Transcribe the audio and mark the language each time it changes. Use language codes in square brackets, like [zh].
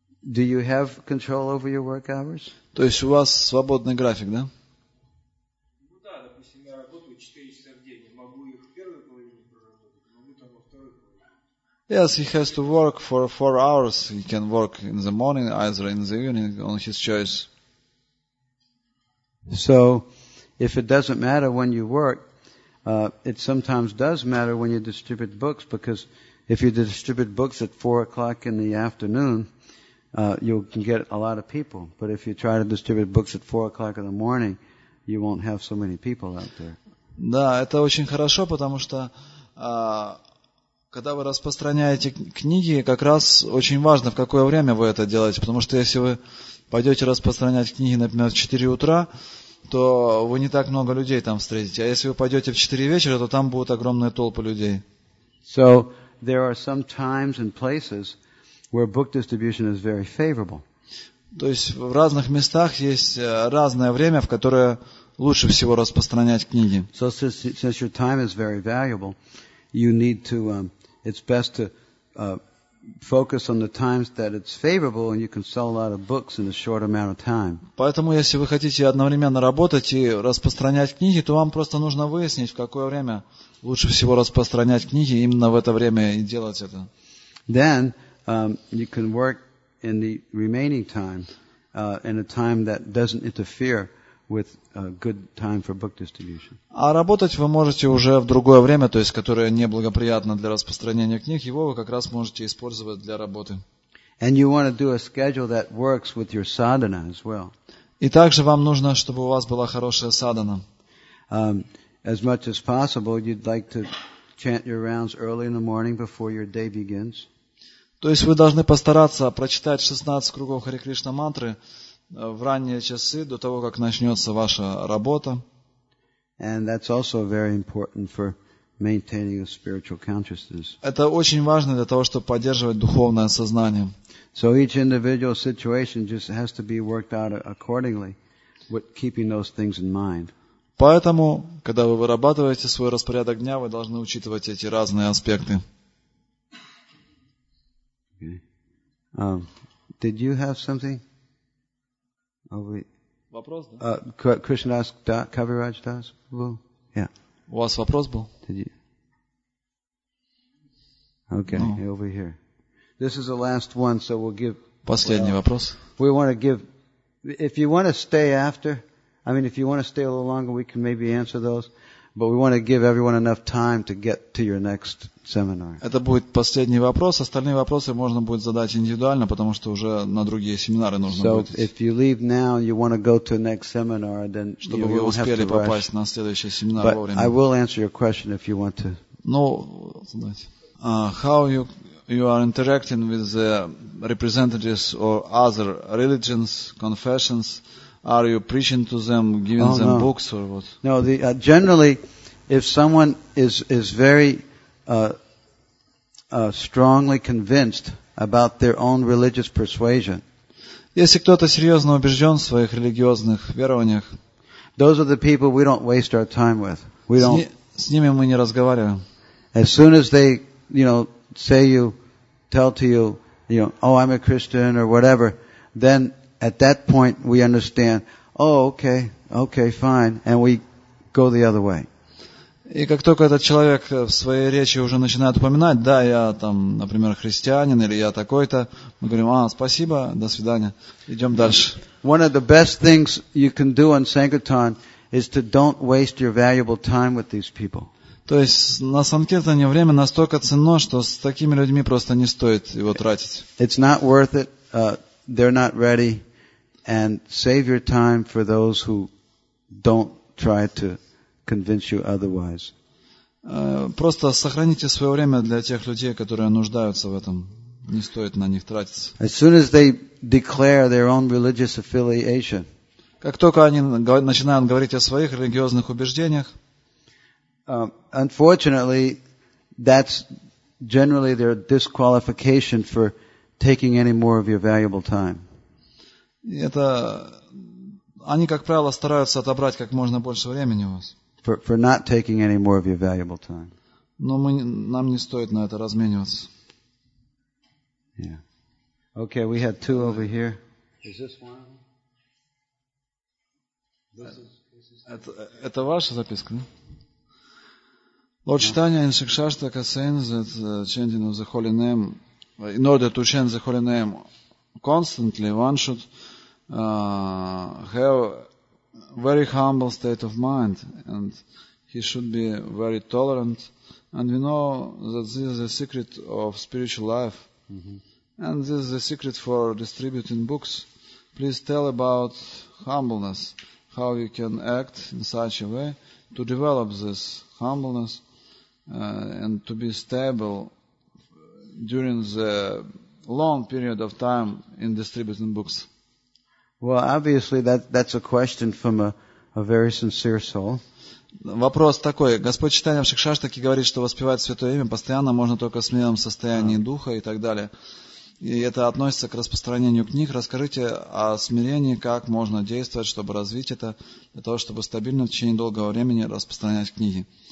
[en] Do you have control over your work hours? [ru] То есть у вас свободный график, да? [en] Yes, he has to work for 4 hours. He can work in the morning, either in the evening, on his choice. So, if it doesn't matter when you work, it sometimes does matter when you distribute books, because if you distribute books at 4 o'clock in the afternoon, you can get a lot of people. But if you try to distribute books at 4 o'clock in the morning, you won't have so many people out there. [ru] Да, это очень хорошо, потому что когда вы распространяете книги, как раз очень важно, в какое время вы это делаете. Потому что если вы пойдете распространять книги, например, в 4 утра, то вы не так много людей там встретите. А если вы пойдете в 4 вечера, то там будут огромные толпы людей. [en] So, there are some times and places where book distribution is very favorable. [ru] То есть в разных местах есть разное время, в которое лучше всего распространять книги. [en] So, since your time is very valuable, you need to it's best to focus on the times that it's favorable and you can sell a lot of books in a short amount of time. [ru] Поэтому если вы хотите одновременно работать и распространять книги, то вам просто нужно выяснить, в какое время лучше всего распространять книги, именно в это время и делать это. [en] Then you can work in the remaining time in a time that doesn't interfere with a good time for book distribution. [ru] А работать вы можете уже в другое время, то есть которое неблагоприятно для распространения книг, его вы как раз можете использовать для работы. [en] And you want to do a schedule that works with your sadhana as well. [ru] И также вам нужно, чтобы у вас была хорошая садхана. [en] As much as possible, you'd like to chant your rounds early in the morning before your day begins. [ru] То есть вы должны постараться прочитать 16 кругов Хари Кришна мантры в ранние часы, до того, как начнется ваша работа. [en] And that's also very important for maintaining a spiritual consciousness. [ru] Это очень важно для того, чтобы поддерживать духовное сознание. [en] So each individual situation just has to be worked out accordingly, with keeping those things in mind. [ru] Поэтому, когда вы вырабатываете свой распорядок дня, вы должны учитывать эти разные аспекты. [en] Okay. Did you have something? [ru] Вопрос, да? [en] Krishna asked Kaviraj Das. Yeah. [ru] У вас вопрос был? [en] Did you? Okay, no. Over here. This is the last one, so we'll give. [ru] Последний вопрос. [en] We want to give. If you want to stay after, I mean, if you want to stay a little longer, we can maybe answer those. But we want to give everyone enough time to get to your next seminar. [ru] Это будет последний вопрос. Остальные вопросы можно будет задать индивидуально, потому что уже на другие семинары нужно будет. [en] So if you leave now and you want to go to the next seminar, then [ru] чтобы вы успели попасть на следующий семинар вовремя. [en] But I will answer your question if you want to. No, how you you are interacting with the representatives or other religions, confessions, are you preaching to them, giving them books or what? No, the, generally, if someone is very strongly convinced about their own religious persuasion, [ru] если кто-то серьезно убежден в своих религиозных верованиях, [en] those are the people we don't waste our time with. We don't. [ru] С ними мы не разговариваем. [en] As soon as they, you know, say you, tell to you, you know, oh, I'm a Christian or whatever, then at that point we understand, oh, okay, okay, fine, and we go the other way. [ru] И как только этот человек в своей речи уже начинает упоминать, да, я там, например, христианин или я такой-то, мы говорим, а, спасибо, до свидания, идем дальше. [en] One of the best things you can do on Sankirtan is to don't waste your valuable time with these people. [ru] То есть на Санкиртане время настолько ценно, что с такими людьми просто не стоит его тратить. [en] It's not worth it, they're not ready, and save your time for those who don't try to convince you otherwise. [ru] Просто сохраните свое время для тех людей, которые нуждаются в этом. Не стоит на них тратиться. [en] As soon as they declare their own religious affiliation, [ru] как только они начинают говорить о своих религиозных убеждениях, [en] unfortunately, that's generally their disqualification for taking any more of your valuable time. [ru] Это они, как правило, стараются отобрать как можно больше времени у вас. [en] For not taking any more of your valuable time. [ru] Но мы, нам не стоит на это размениваться. [en] Yeah. Okay, we had two over here. Is this one? [ru] Это ваша записка, да? [en] Lord Chaitanya and Shikshashtaka saying that chanting of the holy name, in order to chant the holy name constantly, one should have very humble state of mind and he should be very tolerant. And we know that this is the secret of spiritual life. Mm-hmm. And this is the secret for distributing books. Please tell about humbleness. How you can act in such a way to develop this humbleness and to be stable during the long period of time in distributing books? Well, obviously that's a question from a very sincere soul. [ru] Вопрос такой: Господь Чайтанья Шикшаштаки говорит, что воспевать Святое Имя постоянно можно только в смелом состоянии духа и так далее. И это относится к распространению книг. Расскажите о смирении, как можно действовать, чтобы развить это, для того, чтобы стабильно в течение долгого времени распространять книги.